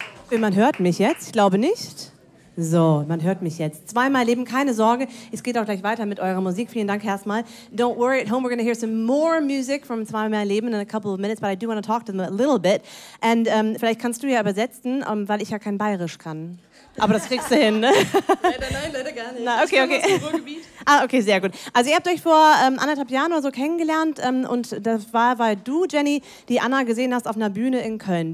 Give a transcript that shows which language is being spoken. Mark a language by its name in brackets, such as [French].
[German] Man hört mich jetzt, ich glaube nicht. So, man hört mich jetzt. Zweimal Leben, keine Sorge, es geht auch gleich weiter mit eurer Musik. Vielen Dank erstmal. [English] Don't worry, at home we're going to hear some more music from Zweimal Leben in a couple of minutes, but I do want to talk to them a little bit. [German] And vielleicht kannst du ja übersetzen, weil ich ja kein Bayerisch kann. Aber das kriegst du hin, ne? Leider gar nicht. Okay. Ah, okay, sehr gut. Also ihr habt euch vor anderthalb Jahren oder so kennengelernt und das war, weil du, Jenny, die Anna gesehen hast auf einer Bühne in Köln.